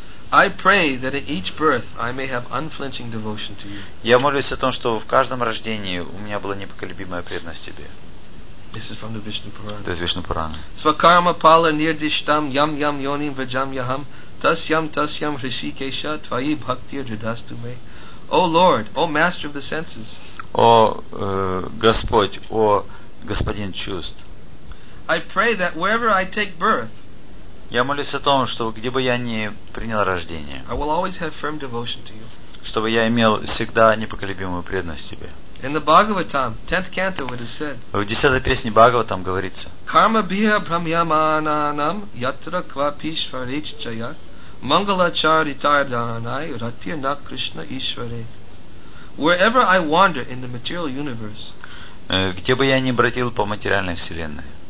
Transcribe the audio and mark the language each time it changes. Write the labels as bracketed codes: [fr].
[en] I pray that at each birth I may have unflinching devotion to you. [ru] Я молюсь о том, что в каждом рождении у меня была непоколебимая преданность тебе. [en] This is from the Vishnu Purana. [ru] Это из Вишну Пурана. [sa] Свакарма пала нирдиштам ям ям йоним вджам яхам тасям тасям Хришикеша твои бхакти джадасту ме. [en] О Lord, о Master of the senses. [ru] О Господь, о Господин чувств. [en] I pray that wherever I take birth. [ru] Я молюсь о том, что где бы я ни принял рождение, [en] I will always have firm devotion to you. [ru] Чтобы я имел всегда непоколебимую преданность тебе. [en] In the Bhagavatam, 10th canto, it is said. [ru] В 10-й песне Бхагаватам говорится. [sa] Карма бхия брамьямананам ятра квапишварич чая мангала чаритарданай ратир на кришна ишваре. [en] Wherever I wander in the material universe. [ru] Где бы я ни бродил по материальной вселенной.